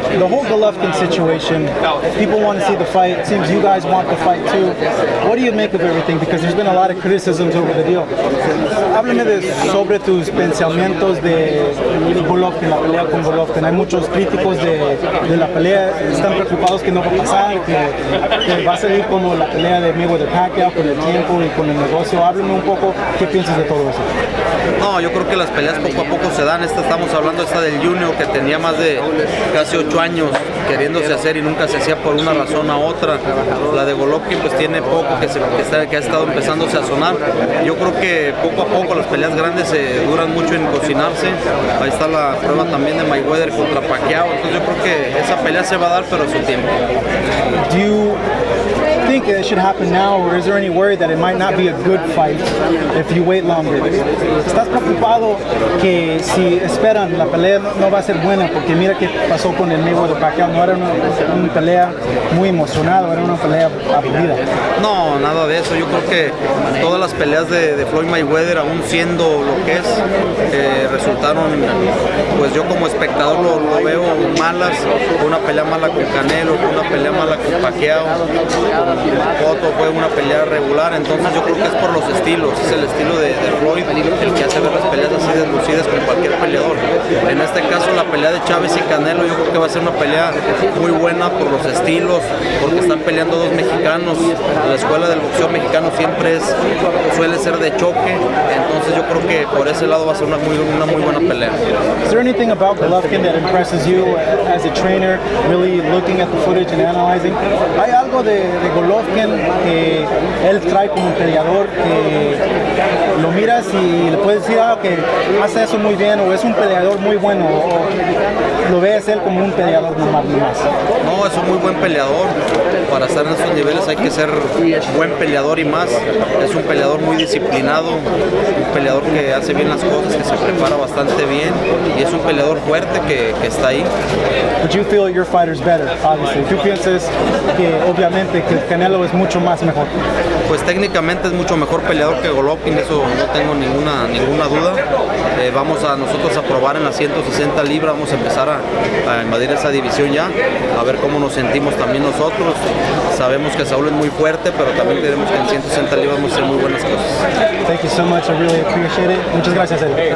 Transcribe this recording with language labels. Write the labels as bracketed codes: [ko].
[en] whole Golovkin situation, people want to see the fight, it seems you guys want the fight too. What do you make of everything? Because there's been a lot of criticisms over the deal. [es] Háblame sobre tus pensamientos de Golovkin, la pelea con Golovkin. Hay muchos críticos de la pelea. Están preocupados que no va a pasar, que va a salir como la pelea de Mayweather Pacquiao con el tiempo y con el negocio. Háblame un poco, ¿qué piensas de todo eso? No, yo creo que las peleas poco a poco se dan. Estamos hablando esta del Junior, que tenía más de casi 8 años queriéndose hacer y nunca se hacía por una razón a otra. La de Golovkin pues tiene poco que ha estado empezándose a sonar. Yo creo que poco a poco las peleas grandes se duran mucho en cocinarse. Ahí está la prueba también de Mayweather contra Pacquiao. Entonces yo creo que esa pelea se va a dar, pero a su tiempo. [en] Do you think it should happen now, or is there any worry that it might not be a good fight if you wait longer? [es] ¿Estás preocupado que si esperan la pelea no va a ser buena? Porque mira qué pasó con el Mayweather Pacquiao. No era una pelea muy emocionada, era una pelea aburrida. No, nada de eso. Yo creo que todas las peleas de Floyd Mayweather, aún siendo lo que es, resultaron, pues yo como espectador lo veo malas. Una pelea mala con Canelo, una pelea mala con Pacquiao, Cotto, fue una pelea regular. Entonces yo creo que es por los estilos, es el estilo de Floyd, el que hace ver las peleas así deslucidas con cualquier peleador. En este caso la pelea de Chávez y Canelo, yo creo que va a ser una pelea muy buena por los estilos, porque están peleando dos mexicanos. La escuela del boxeo mexicano siempre es, suele ser de choque. Entonces yo creo que por ese lado va a ser una muy buena pelea. [en] Is there anything about Golovkin that impresses you as a trainer, really looking at the footage and analyzing? [es] ¿Hay algo de Golovkin que él trae como un peleador que lo miras y le puedes decir que hace eso muy bien, o es un peleador muy bueno, o lo ves él como un peleador normal más? No, es un muy buen peleador. Para estar en esos niveles hay que ser buen peleador y más. Es un peleador muy disciplinado, un peleador que hace bien las cosas, que se prepara bastante bien, y es un peleador fuerte que está ahí. [en] But you feel your fighter's better, obviously. [es] ¿Tú piensas que obviamente que Canelo es mucho más mejor? Pues técnicamente es mucho mejor peleador que Golovkin, eso no tengo ninguna duda. Vamos a nosotros a probar en las 160 libras, vamos a empezar a invadir esa división ya, a ver cómo nos sentimos también nosotros. Sabemos que Saúl es muy fuerte, pero también tenemos que en 160 libras vamos a hacer muy buenas cosas. [en] Thank you so much, I really appreciate it. [es] Muchas gracias, Eric.